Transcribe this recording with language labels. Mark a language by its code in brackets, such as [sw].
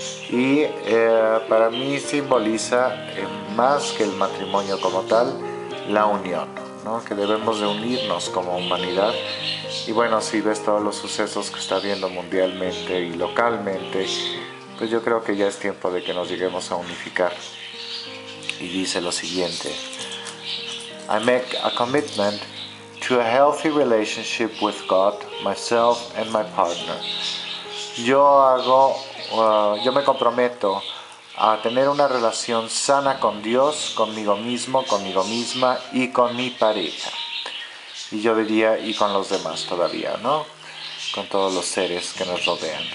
[es] Y para mí simboliza más que el matrimonio como tal, la unión, ¿no? Que debemos de unirnos como humanidad. Y bueno, si ves todos los sucesos que está habiendo mundialmente y localmente, pues yo creo que ya es tiempo de que nos lleguemos a unificar. Y dice lo siguiente: [en] I make a commitment to a healthy relationship with God, myself and my partner. [es] Yo me comprometo a tener una relación sana con Dios, conmigo mismo, conmigo misma y con mi pareja. Y yo diría, y con los demás todavía, ¿no? Con todos los seres que nos rodean.